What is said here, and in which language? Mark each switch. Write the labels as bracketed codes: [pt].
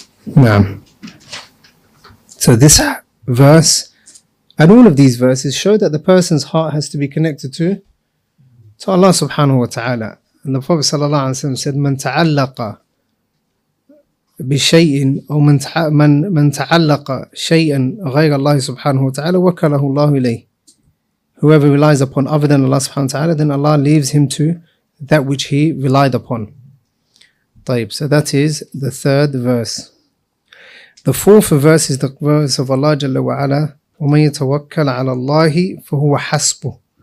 [en] Naam. So this verse and all of these verses show that the person's heart has to be connected to Allah subhanahu wa ta'ala. And the Prophet sallallahu alayhi wa sallam said, [ar] من تعلق بشيء أو من تعلق شيئا غير الله سبحانه وتعالى وكله الله إليه. [en] Whoever relies upon other than Allah subhanahu wa ta'ala, then Allah leaves him to that which he relied upon. طيب, so that is the third verse. The fourth verse is the verse of Allah Jalla wa Ala, [ar] وَمَنْ يَتَوَكَّلَ عَلَى اللَّهِ فَهُوَ حَسْبُهُ.